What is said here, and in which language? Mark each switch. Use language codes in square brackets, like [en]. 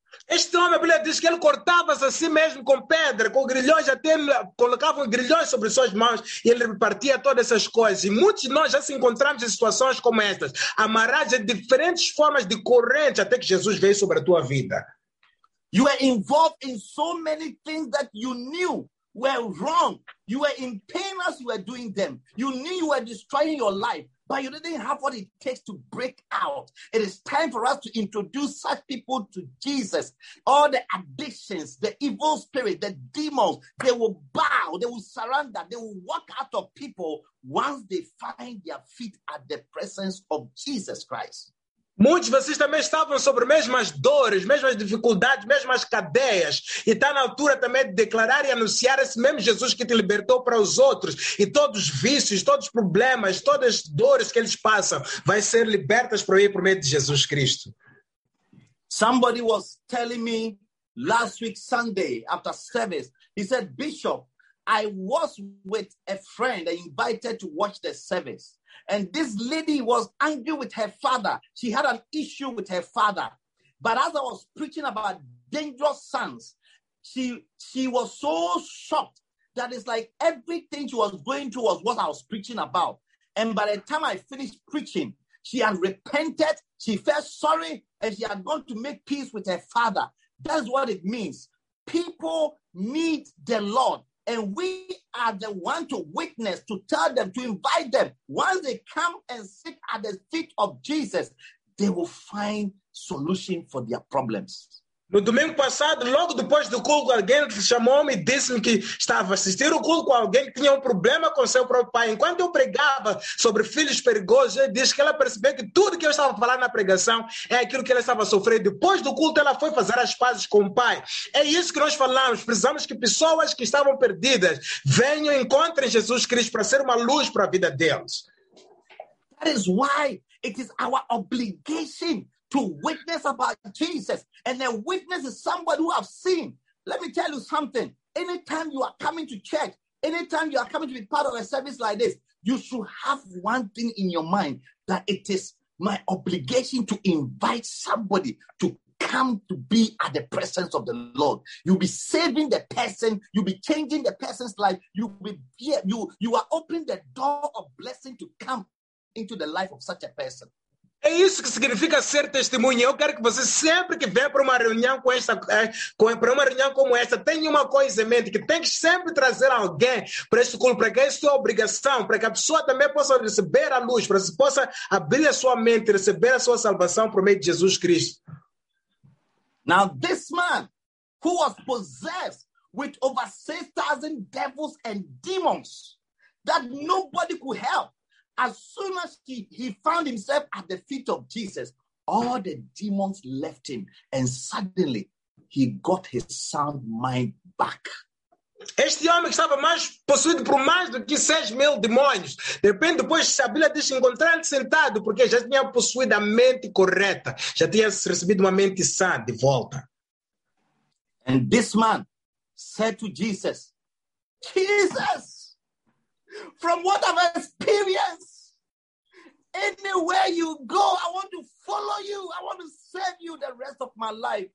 [pt] Este homem, a Bíblia diz que ele cortava-se a si mesmo com pedra, com grilhões, até ele colocava grilhões sobre suas mãos e ele repartia todas essas coisas. E muitos de nós já se encontramos em situações como estas, amarrados em diferentes formas de corrente até que Jesus veio sobre a tua vida. [en] You are involved in so many things that you knew were wrong. You were in pain as you were doing them. You knew you were destroying your life. But you didn't have what it takes to break out. It is time for us to introduce such people to Jesus. All the addictions, the evil spirit, the demons, they will bow, they will surrender, they will walk out of people once they find their feet at the presence of Jesus Christ. [pt] Muitos de vocês também estavam sobre as mesmas dores, mesmas dificuldades, mesmas cadeias. E está na altura também de declarar e anunciar esse mesmo Jesus que te libertou para os outros. E todos os vícios, todos os problemas, todas as dores que eles passam, vai ser libertas para mim por meio de Jesus Cristo. [en] Somebody was telling me last week, Sunday, after service, he said, Bishop, I was with a friend and invited to watch the service. And this lady was angry with her father. She had an issue with her father. But as I was preaching about dangerous sons, she was so shocked that it's like everything she was going through was what I was preaching about. And by the time I finished preaching, she had repented, she felt sorry, and she had gone to make peace with her father. That's what it means. People need the Lord. And we are the one to witness, to tell them, to invite them. Once they come and sit at the feet of Jesus, they will find solution for their problems. [pt] No domingo passado, logo depois do culto, alguém chamou-me e disse-me que estava assistindo o culto com alguém que tinha problema com seu próprio pai. Enquanto eu pregava sobre filhos perigosos, ele disse que ela percebeu que tudo que eu estava falando na pregação é aquilo que ela estava sofrendo. Depois do culto, ela foi fazer as pazes com o pai. É isso que nós falamos. Precisamos que pessoas que estavam perdidas venham e encontrem Jesus Cristo para ser uma luz para a vida deles. [en] That is why it is our obligation to witness about Jesus. And a witness is somebody who have seen. Let me tell you something. Anytime you are coming to church, anytime you are coming to be part of a service like this, you should have one thing in your mind, that it is my obligation to invite somebody to come to be at the presence of the Lord. You'll be saving the person. You'll be changing the person's life. You are opening the door of blessing to come into the life of such a person. [pt] É isso que significa ser testemunha. Eu quero que você, sempre que vier para uma reunião com esta, para uma reunião como esta, tenha uma coisa em mente, que tem que sempre trazer alguém para este culto, para que é a sua obrigação, para que a pessoa também possa receber a luz, para que possa abrir a sua mente, receber a sua salvação por meio de Jesus Cristo. [en] Now, this man, who was possessed with over 6,000 devils and demons, that nobody could help. As soon as he found himself at the feet of Jesus, all the demons left him, and suddenly he got his sound mind back. [pt] Este homem que estava mais possuído por mais do que 6,000 demônios, de repente, depois a Bíblia diz, encontrar-lhe sentado, porque já tinha possuído a mente correta, já tinha recebido uma mente sã de volta. [en] And this man said to Jesus, Jesus! From what I've experienced, Anywhere you go, I want to follow you. I want to serve you the rest of my life.